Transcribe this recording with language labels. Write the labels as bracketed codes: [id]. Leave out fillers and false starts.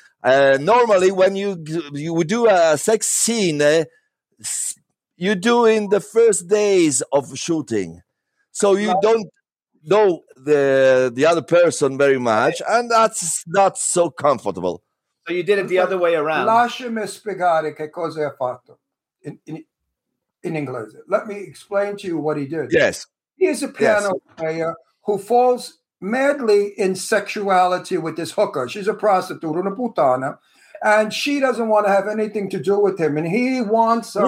[en] Normally, when you do a sex scene, you do in the first days of shooting. So you don't know the other person very much, and that's not so comfortable. So you did it the other way around. [it] Lasciami spiegare che cosa ha fatto [en] in English. Let me explain to you what he did. Yes. He is a piano player who falls madly in sexuality with this hooker. She's a prostitute, [it] una puttana, [en] and she doesn't want to have anything to do with him, and he wants her.